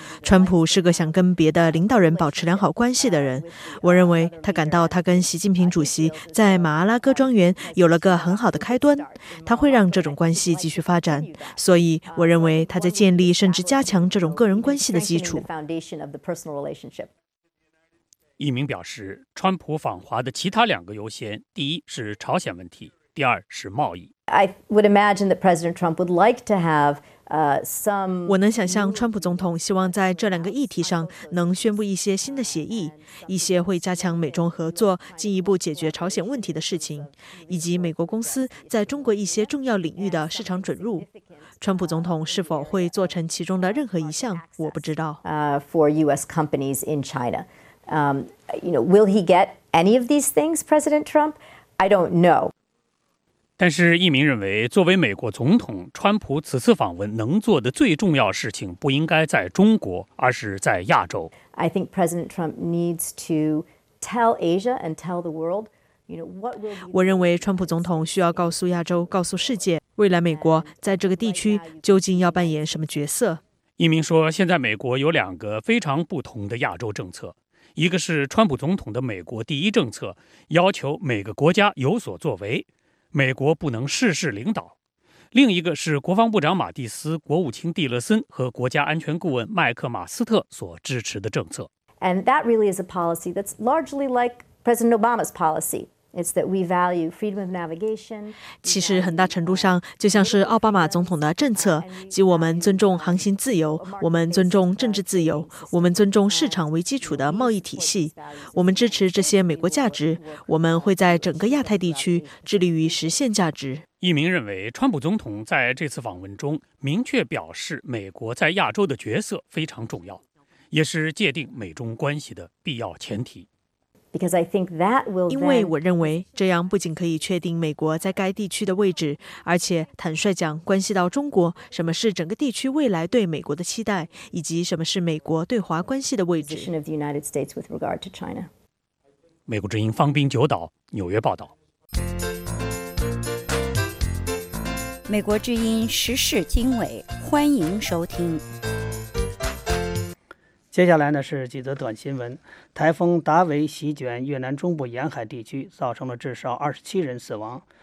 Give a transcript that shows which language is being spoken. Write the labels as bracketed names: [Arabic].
[Chinese] 川普是个想跟别的领导人保持良好关系的人，我认为他感到他跟习近平主席在马阿拉戈庄园有了个很好的开端，他会让这种关系继续发展，所以我认为他在建立甚至加强这种个人关系的基础。一名表示，川普访华的其他两个优先，第一是朝鲜问题，第二是贸易。 [English] I would imagine that President Trump would like to have some. [Chinese] 我能想象川普总统希望在这两个议题上能宣布一些新的协议，一些会加强美中合作、进一步解决朝鲜问题的事情，以及美国公司在中国一些重要领域的市场准入。川普总统是否会做成其中的任何一项，我不知道。 [English] For U.S. companies in China, you know, will he get any of these things, President Trump? I don't know. [Chinese] 但是易明认为，作为美国总统，川普此次访问能做的最重要事情不应该在中国，而是在亚洲。 [English] I think President Trump needs to tell Asia and tell the world, you know, what will. [Chinese] 我认为川普总统需要告诉亚洲，告诉世界，未来美国在这个地区究竟要扮演什么角色。易明说，现在美国有两个非常不同的亚洲政策，一个是川普总统的美国第一政策，要求每个国家有所作为。美国不能事事领导。另一个是国防部长马蒂斯、国务卿蒂勒森和国家安全顾问麦克马斯特所支持的政策。 [English] And that really is a policy that's largely like President Obama's policy. It's that we value freedom of navigation. [Chinese] 其实很大程度上就像是奥巴马总统的政策，即我们尊重航行自由，我们尊重政治自由，我们尊重市场为基础的贸易体系，我们支持这些美国价值，我们会在整个亚太地区致力于实现价值。一名认为，川普总统在这次访问中明确表示美国在亚洲的角色非常重要，也是界定美中关系的必要前提。 [English] Because I think that will. [Chinese] 因为我认为这样不仅可以确定美国在该地区的位置，而且坦率讲，关系到中国，什么是整个地区未来对美国的期待，以及什么是美国对华关系的位置。 [English] Position of the United States with regard to China. [Chinese] 美国之音方冰九岛纽约报道。美国之音时事经纬，欢迎收听。接下来呢是几则短新闻。台风达维席卷越南中部沿海地区，造成了至少27人死亡。